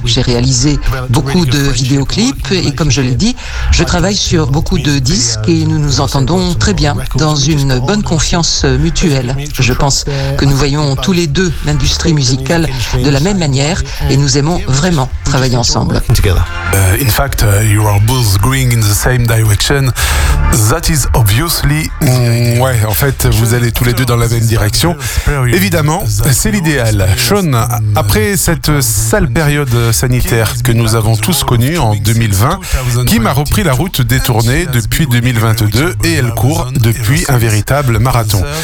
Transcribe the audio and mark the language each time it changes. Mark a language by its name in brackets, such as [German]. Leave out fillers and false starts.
[French] J'ai réalisé beaucoup de vidéoclips et comme je l'ai dit, je travaille sur beaucoup de disques et nous nous entendons très bien dans une bonne confiance mutuelle. Je pense que nous voyons tous les deux l'industrie musicale de la même manière et nous aimons vraiment travailler ensemble. [English] In fact, you are both going in the same direction. That is obviously... [French] ouais, en fait, vous allez tous les deux dans la même direction. Évidemment, c'est l'idéal. Sean, après cette sale période sanitaire que nous avons tous connue en 2020, Kim a repris la route des tournées depuis 2022 et elle court depuis un véritable marathon.